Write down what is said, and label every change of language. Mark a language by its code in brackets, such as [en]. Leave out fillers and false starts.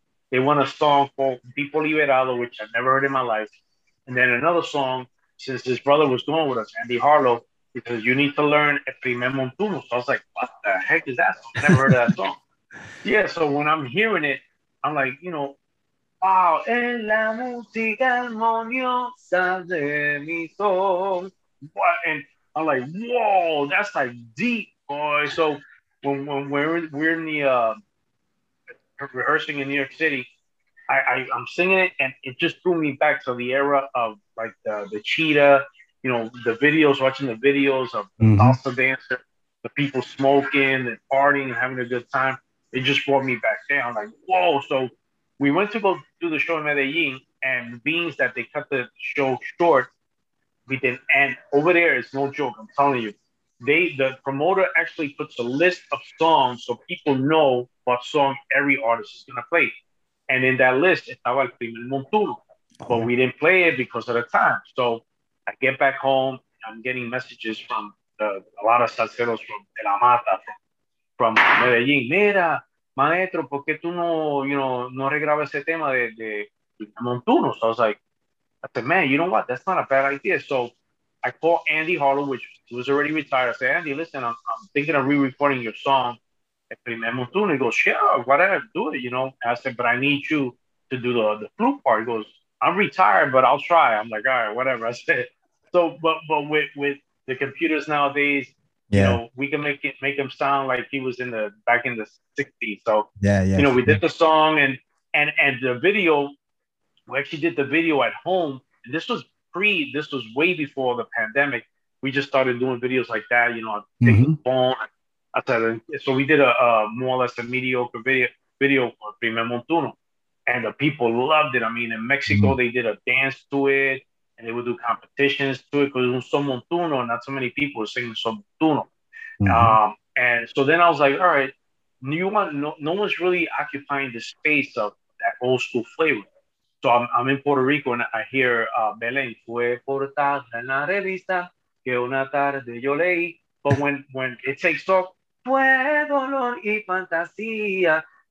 [en] They want a song called Vipo Liberado, which I've never heard in my life. And then another song, since his brother was going with us, Andy Harlow, because you need to learn El Primer Montuno. So I was like, what the heck is that song? Never heard of that song. Yeah, so when I'm hearing it, I'm like, you know, wow. [es] En la música armoniosa de mi son. [en] What? And I'm like, whoa, that's like deep, boy. So when we're in the rehearsing in New York City, I'm singing it, and it just threw me back to the era of like the Cheetah. You know, the videos, watching the videos of the salsa dancer, the people smoking and partying and having a good time. It just brought me back there. I'm like, whoa. So we went to go do the show in Medellin, and being that they cut the show short, we didn't end. Over there, it's no joke, I'm telling you. The promoter actually puts a list of songs so people know what song every artist is going to play. And in that list, estaba el primer montuno. But we didn't play it because of the time. So I get back home, I'm getting messages from a lot of salseros from De La Mata, from Medellin. [es] Mira, maestro, ¿por qué tú no, [en] you know, [es] no regrabas ese tema de Montuno? [en] So I was like, I said, man, you know what? That's not a bad idea. So I called Andy Harlow, which was already retired. I said, Andy, listen, I'm thinking of re-recording your song, El Primer Montuno. He goes, sure, whatever, do it, you know. I said, but I need you to do the flute part. He goes, I'm retired, but I'll try. I'm like, all right, whatever. I said. So, but with the computers nowadays, you know, we can make him sound like he was back in the 60s. So, you know, we did the song and the video. We actually did the video at home. And this was this was way before the pandemic. We just started doing videos like that, you know, taking phone. I said, so we did a more or less a mediocre video for Primer Montuno. And the people loved it. I mean, in Mexico, they did a dance to it, and they would do competitions to it because it was so Montuno, not so many people were singing so Montuno. And so then I was like, all right, no one's really occupying the space of that old school flavor. So I'm in Puerto Rico, and I hear [es] Belén fue portada en la revista que una tarde yo leí. [en] But when it takes off, [es] fue dolor y fantasía.